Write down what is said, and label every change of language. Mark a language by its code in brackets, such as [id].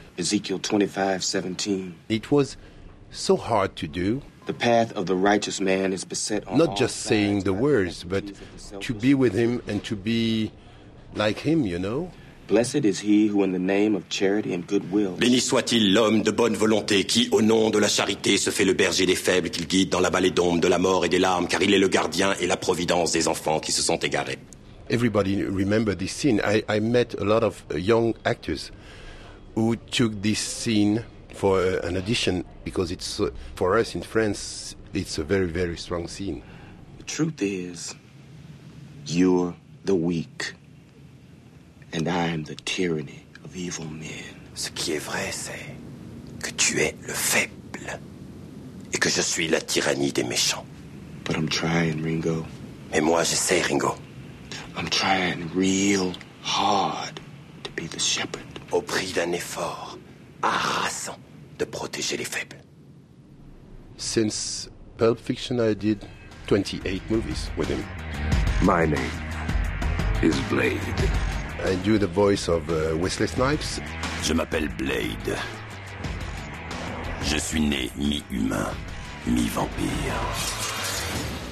[en] Ezekiel 25:17. It was so hard to do. The path of the righteous man is beset on not just saying the words, but to be with him and to be like him, you know? Blessed is he who in the name of charity and goodwill... [fr] Béni soit-il l'homme de bonne volonté qui, au nom de la charité, se fait le berger des faibles qu'il guide dans la vallée d'ombre de la mort et des larmes, car il est le gardien et la providence des enfants qui se sont égarés. [en] Everybody remember this scene. I met a lot of young actors who took this scene for an audition because it's, for us in France, it's a very, very strong scene. The truth is, you're the weak. And I am the tyranny of evil men. [fr] Ce qui est vrai, c'est que tu es le faible et que je suis la tyrannie des méchants. [en] But I'm trying, Ringo. [fr] Mais moi, j'essaie, Ringo. [en] I'm trying real hard to be the shepherd. [fr] Au prix d'un effort harassant de protéger les faibles. [en] Since Pulp Fiction, I did 28 movies with him. My name is Blade. I do the voice of Wesley Snipes. [fr] Je m'appelle Blade. Je suis né mi-humain, mi-vampire.